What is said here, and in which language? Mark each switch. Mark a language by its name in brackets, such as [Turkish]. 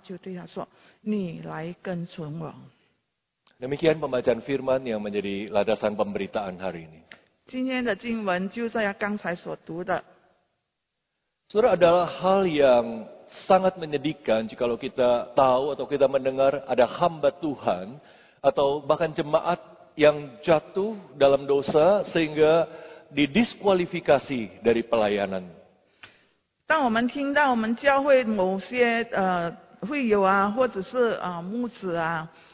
[Chinese] 约翰的儿子，你爱我吗？就忧愁对耶稣说：“主啊，你是无所不知的，你知道我爱你。”主耶稣说：“你喂养我的羊。我实实在在的告诉你，你年少的时候自己束上带子随意往来，但年老的时候你要伸出手来，别人要把你束上，带你到你不愿意去的地方。”耶稣说这话是指着彼得要怎么样死荣耀上帝。说了这话就对他说：“你来跟从我。” [Indonesian] Demikian pembacaan firman yang menjadi landasan pemberitaan hari ini. [Chinese] 今天的经文就是刚才所读的。 [Indonesian] Saudara, adalah hal yang sangat menyedihkan jika kita tahu atau kita mendengar ada hamba Tuhan atau bahkan jemaat yang jatuh dalam dosa sehingga didiskualifikasi dari pelayanan. [Chinese] 当我们听到我们教会某些会友啊，或者是牧者啊。